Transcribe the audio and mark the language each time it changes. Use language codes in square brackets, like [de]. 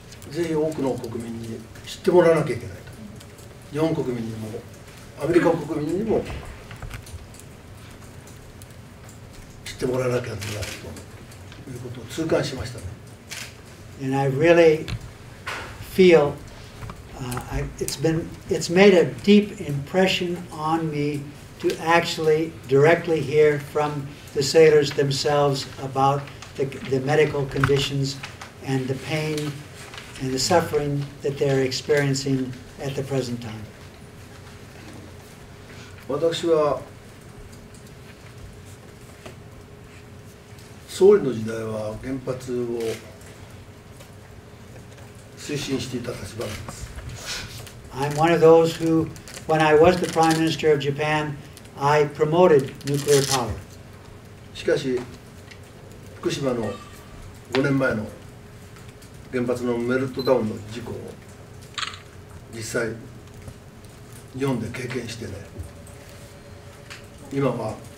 [ja] ぜひ多くの国民に知ってもらわなきゃいけないと、日本国民にもアメリカ国民にも知ってもらわなきゃいけないということを痛感しましたね。 [en] And I really feelIt's made a deep impression on me to actually directly hear from the sailors themselves about the medical conditions and the pain and the suffering that they're experiencing at the present time. [ja] 私は総理の時代は原発を推進していた立場なんです。 [en] I'm one of those who, when I was the Prime Minister of Japan, I promoted nuclear power. [ja] しかし、福島の5年前の原発のメルトダウンの事故を実際、日本で経験してね、今は